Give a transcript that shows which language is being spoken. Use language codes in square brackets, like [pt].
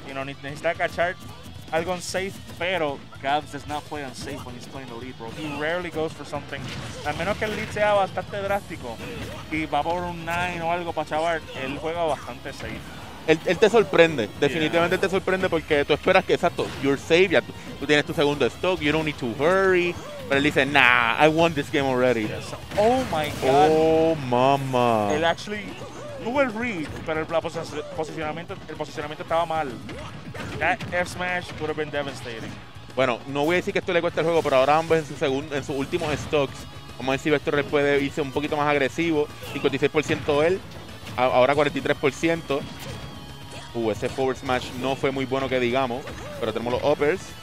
[es] Necesita cachar algo en safe. [en] Pero Gaps does not play unsafe when he's playing the lead, bro. He rarely goes for something. [es] A menos que el lead sea bastante drástico y va por un 9 o algo para chavar, él juega bastante safe. Él te sorprende. Definitivamente yeah. Te sorprende porque tú esperas que, exacto, [en] you're safe, [es] ya tú tienes tu segundo stock, [en] you don't need to hurry. [es] Pero él dice, [en] nah, I won this game already. Yes. Oh, my God. Oh, mama. [es] Él actually tuvo el read, pero el posicionamiento estaba mal. [en] That F-smash would have been devastating. [es] Bueno, no voy a decir que esto le cuesta el juego, pero ahora ambos en sus últimos stocks. Vamos a ver si Vector Rex puede irse un poquito más agresivo. 56% él, ahora 43%. Ese forward smash no fue muy bueno que digamos, pero tenemos los uppers.